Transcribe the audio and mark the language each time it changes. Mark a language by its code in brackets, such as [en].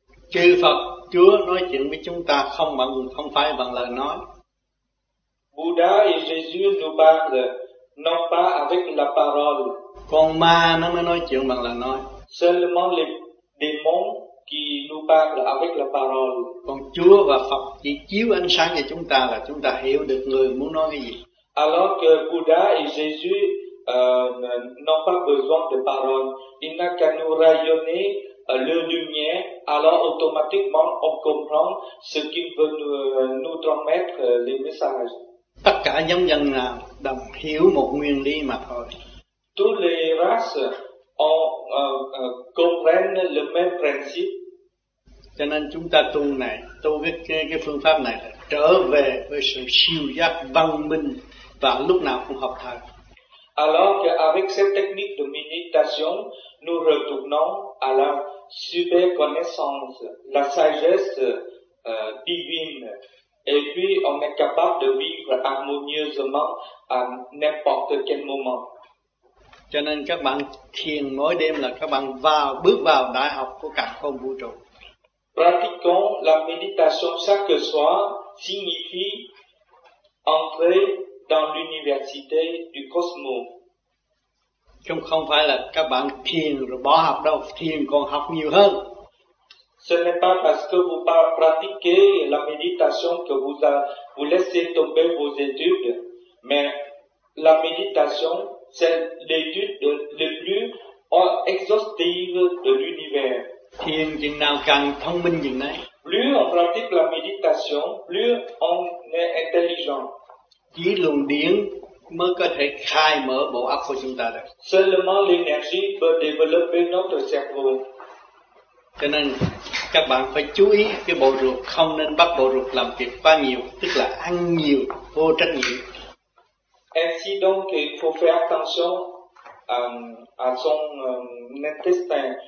[vi] Chư Phật, Chúa nói chuyện với chúng ta không bằng, không phải bằng lời nói. [fr] Bouddha et Jésus nous parlent, non pas avec la parole. [vi] Còn ma nó mới nói chuyện bằng lời nói. [fr] Seulement les démons qui nous parlent avec la parole. [vi] Còn Chúa và Phật chỉ chiếu ánh sáng cho chúng ta là chúng ta hiểu được người muốn nói cái gì. [fr] Alors que Bouddha et Jésus n'ont pas besoin de parole. Il n'a qu'à nous rayonner le lumière, alors automatiquement on comprend ce qu'il veut nous transmettre les messages. [vi] Tất cả nhân dân nào đồng hiểu một nguyên lý mà thôi. [fr] Toutes les races ont comprennent le même principe. [vi] Cho nên chúng ta tu này, tu cái phương pháp này là trở về với sự siêu giác văn minh và lúc nào cũng học thật. [fr] Alors qu'avec cette technique de méditation, nous retournons à la super connaissance, la sagesse divine, et puis on est capable de vivre harmonieusement à n'importe quel moment. [vi] Cho nên các bạn thiền mỗi đêm là các bạn vào, bước vào đại học của cả không vũ trụ. [fr] Pratiquons la méditation chaque soir signifie entrer dans l'université du cosmos. [vi] Chứ không phải là các bạn thiền rồi bỏ học đâu, thiền còn học nhiều hơn. [fr] Ce n'est pas parce que vous pratiquez la méditation que vous laissez tomber vos études, mais la méditation, c'est l'étude le plus exhaustive de l'univers. [vi] Thiền chừng nào càng thông minh chừng nấy. [fr] Plus on pratique la méditation, plus on est intelligent. [vi] Chỉ luồng điển mới có thể khai mở bộ óc của chúng ta được. [fr] Seulement l'énergie peut développer notre cerveau. [vi] Cho nên các bạn phải chú ý cái bộ ruột, không nên bắt bộ ruột làm việc quá nhiều, tức là ăn nhiều vô trách nhiệm. [fr] Ainsi donc, il faut faire attention à son intestin.